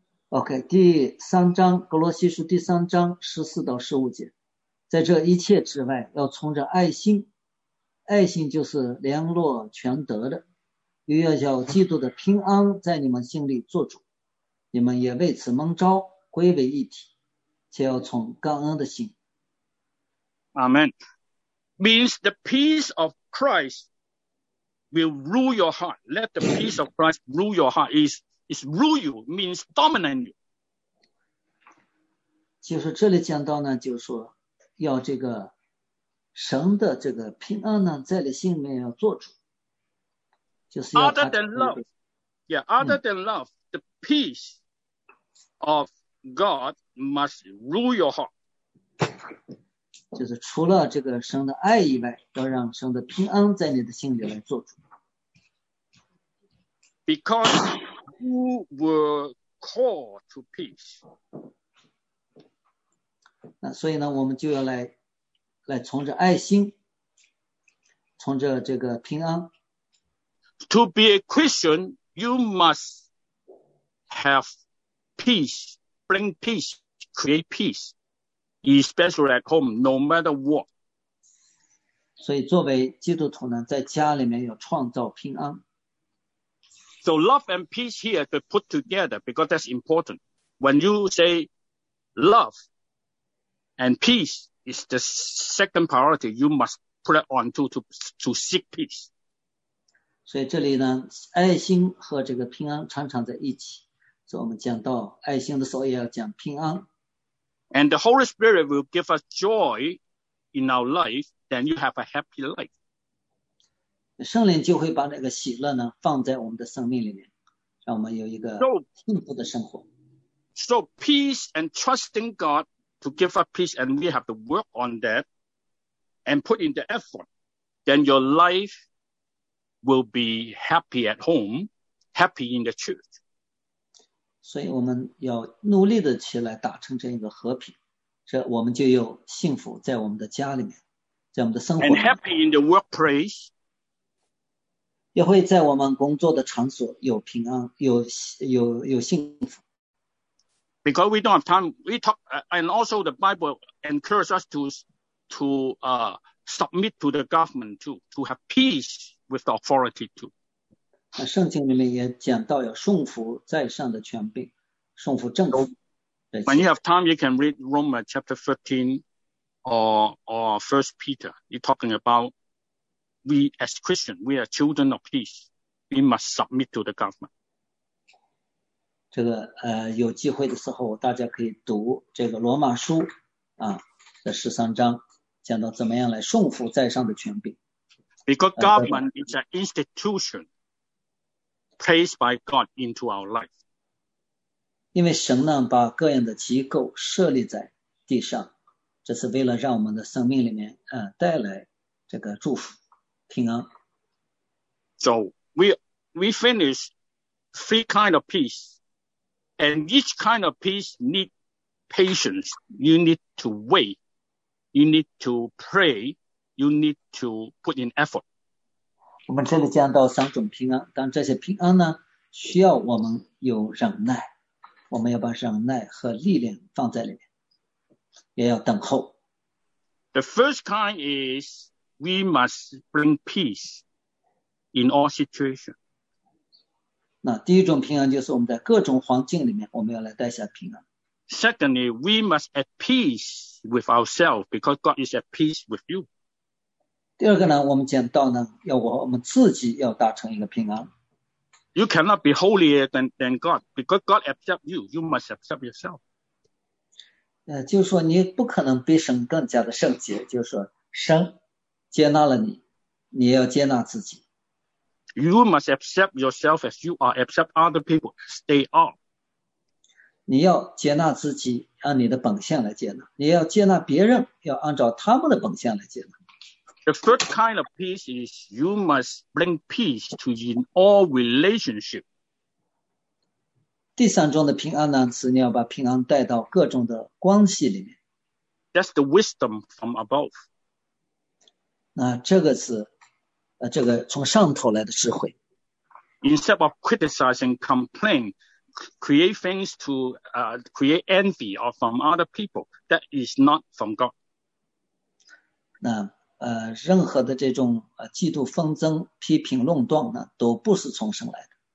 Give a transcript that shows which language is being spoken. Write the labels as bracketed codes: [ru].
[zh] OK, 第三章格罗西书第三章14到15节，在这一切之外要存着爱心，爱心就是联络全德的，又要叫基督的平安在你们心里做主，你们也为此蒙召归为一体，且要从感恩的心。 [en] Amen. Means the peace of Christ will rule your heart. Let the peace of Christ rule your heart. Is rule you means dominate you. [zh] 就是这里讲到呢，就是说要这个神的这个平安呢，在你心里面要做主。就是要 [en] other than love, yeah. Other than love, the peace of God must rule your heart. [zh] 就是除了这个神的爱以外，要让神的平安在你的心里来做主。 [en] Because who were called to peace. [zh] 那所以呢，我们就要来从着爱心，从着这个平安。 [en] To be a Christian, you must have peace, bring peace, create peace, especially at home, no matter what. [zh] 所以作为基督徒呢，在家里面要创造平安。 [en] So love and peace here to put together because that's important. When you say love and peace is the second priority, you must put it on to seek peace. [zh] 所以这里呢，爱心和这个平安常常在一起。所以我们讲到爱心的时候，也要讲平安。 [en] And the Holy Spirit will give us joy in our life, then you have a happy life. [zh] 圣灵就会把那个喜乐呢放在我们的生命里面，让我们有一个幸福的生活。 [en] So peace and trusting God to give us peace, and we have to work on that and put in the effort, then your life will be happy at home, happy in the church. [zh] 所以我们要努力的起来达成这一个和平，这我们就有幸福在我们的家里面，在我们的生活里面。 [en] And happy in the workplace. [zh] 也会在我们工作的场所有平安，有幸福。 [en] Because we don't have time, we talk, and also the Bible encourages us to submit to the government too, to have peace with the authority too. [zh] 那圣经里面也讲到要顺服在上的权柄，顺服政府。 [en] When you have time, you can read Romans chapter 13 or 1 Peter. You're talking about. We as Christians, we are children of peace. We must submit to the government. [zh] 这个有机会的时候大家可以读这个罗马书啊的十三章，讲到怎么样来顺服在上的权柄。 [en] Because government is an institution placed by God into our life. [zh] 因为神呢把各样的机构设立在地上，这是为了让我们的生命里面带来这个祝福平安。 [en] So we finish three kind of peace, and each kind of peace need patience. You need to wait. You need to pray. You need to put in effort. [zh] 我们这里讲到三种平安，但这些平安呢，需要我们有忍耐。我们要把忍耐和力量放在里面，也要等候。 [en] The first kind is we must bring peace. In all situations. [zh] 那第一种平安就是我们在各种环境里面我们要来带下平安。 [en] Secondly, we must at peace with ourselves because God is at peace with you. [zh] 第二个呢，我们讲到呢，要我们自己要达成一个平安。 [en] You cannot be holier than God because God accepts you. You must accept yourself. [zh] 就是说你不可能比神更加的圣洁，就是说神接纳了你，你也要接纳自己。 [en] You must accept yourself as you are, accept other people, stay on. [zh] 你要接纳自己，按你的本相来接纳。你要接纳别人，要按照他们的本相来接纳。 [en] The third kind of peace is you must bring peace to in all relationship. [zh] 第三种的平安呢，是你要把平安带到各种的关系里面。 [en] That's the wisdom from above. [zh] 那这个是这个从上头来的智慧。 [en] Instead of criticizing, complain, create things to create envy or from other people, that is not from God. [zh] 那任何的这种嫉妒、纷争、批评、论断呢，都不是从神来的。